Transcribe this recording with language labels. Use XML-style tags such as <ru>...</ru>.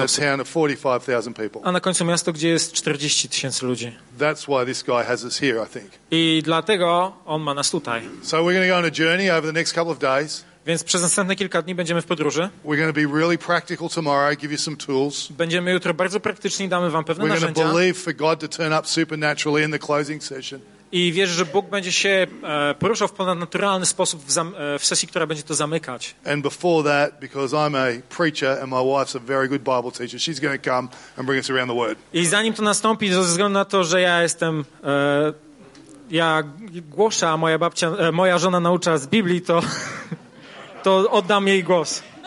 <en>And a town of 45,000 people.</en> <pl>A na końcu miasto, gdzie jest 40,000 ludzi.</pl> <en>That's why this guy has us here, I think.</en> <pl>I dlatego on ma nas tutaj.</pl> <en>So we're going to go on a journey over the next couple of days.</en> <pl>Więc przez następne kilka dni będziemy w podróży.</pl> <en>We're going to be really practical tomorrow, give you some tools.</en> <pl>Będziemy jutro bardzo praktyczni, damy wam pewne narzędzia.</pl> <en>We're going to believe for God to turn up supernaturally in the closing session.</en> <pl>I wierzę, że Bóg będzie się poruszał w ponadnaturalny sposób w sesji, która będzie to zamykać.</pl> <en>And before that, because I'm a preacher and my wife's a very good Bible teacher, she's going to come and bring us around the word.</en> <pl>I zanim to nastąpi, ze względu na to, że ja jestem ja głoszę, a moja babcia, moja żona naucza z Biblii, to oddam jej głos.</pl>